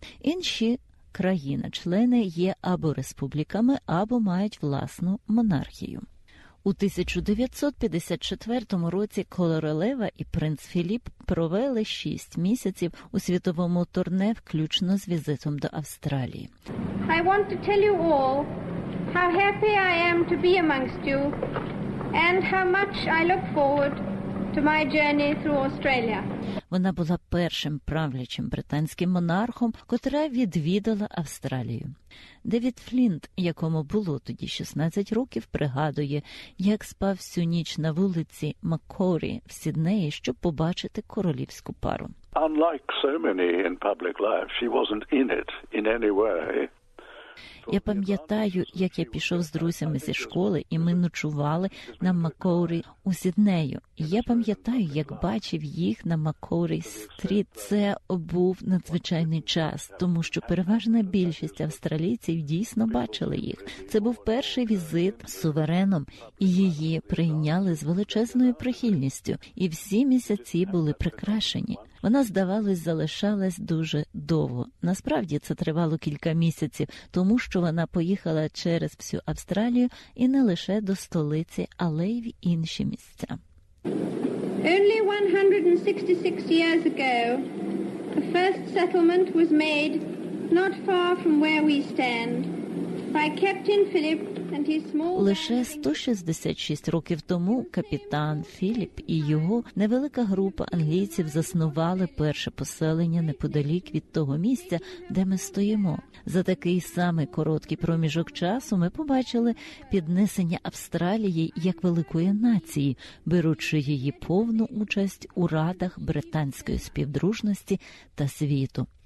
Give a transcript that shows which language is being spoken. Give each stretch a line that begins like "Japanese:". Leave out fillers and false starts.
Ukrainian: Інші країни-члени є або республіками, або мають власну монархію. У 1954 році королева і принц Філіп провели 6 місяців у світовому турне, включно з візитом до Австралії.
English: I want to tell you all how happy I am to be amongst you and how much I look forward to my journey through Australia.
Ukrainian: Вона була першим правлячим британським монархом, котра відвідала Австралію. Девід Флінт, якому було тоді 16 років, пригадує, як спав всю ніч на вулиці Маккорі в Сіднеї, щоб побачити королівську пару.
English: Unlike so many in public life, she wasn't in it in any way.
Ukrainian: Я пам'ятаю, як я пішов з друзями зі школи, і ми ночували на Маккоурі у Сіднею. Я пам'ятаю, як бачив їх на Маккоурі-стріт. Це був надзвичайний час, тому що переважна більшість австралійців дійсно бачили їх. Це був перший візит з сувереном, і її прийняли з величезною прихильністю. І всі місяці були прикрашені. Вона, здавалось, залишалась дуже довго. Насправді це тривало кілька місяців, тому що вона поїхала через всю Австралію і не лише до столиці, але й в інші місця.
English: Only 166 years ago, the first settlement was made not far from where we stand by Captain Philip.
Ukrainian: Лише 166 років тому капітан Філіп і його невелика група англійців заснували перше поселення неподалік від того місця, де ми стоїмо. За такий самий короткий проміжок часу ми побачили піднесення Австралії як великої нації, беручи її повну участь у радах британської співдружності та світу.